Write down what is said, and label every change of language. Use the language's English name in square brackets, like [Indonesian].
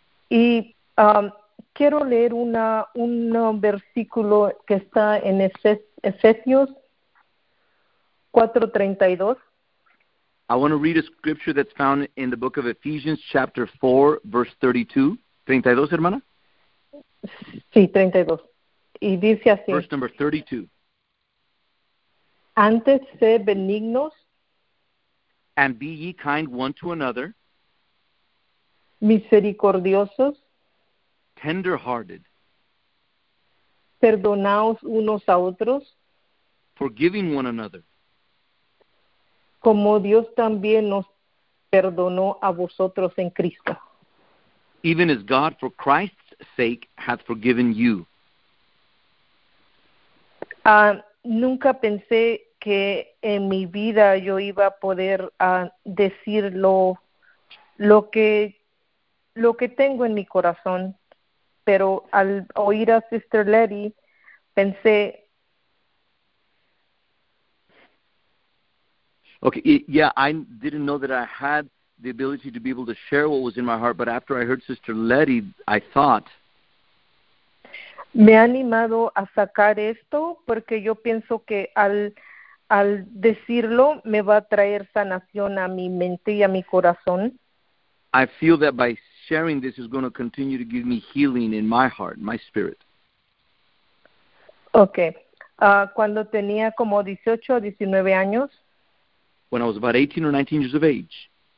[Spanish] Y quiero leer un versículo que está en Efesios 4:32. [English] I want to read a scripture that's found in the book of Ephesians, chapter 4, verse 32. [Spanish] 32, hermana? Sí, 32. Y dice así. [English] Verse number 32. [Spanish] Antes sé benignos. [English] And be ye kind one to another. [Spanish] Misericordiosos. [English] Tender-hearted. [Spanish] Perdonaos unos a otros. [English] Forgiving one another. [Spanish] Como Dios también nos perdonó a vosotros en Cristo. [English] Even as God for Christ's sake hath forgiven you. [Spanish] Nunca pensé que en mi vida yo iba a poder decir lo que tengo en mi corazón. Pero al oír a Sister Letty, pensé... [English] Okay, I didn't know that I had the ability to be able to share what was in my heart, but after I heard Sister Letty, I thought. [Spanish] Me ha animado a sacar esto porque yo pienso que al decirlo me va a traer sanación a mi mente y a mi corazón. [English] I feel that by sharing this is going to continue to give me healing in my heart, my spirit. [Spanish] Okay, cuando tenía como 18 o 19 años. [English] When I was about 18 or 19 years of age,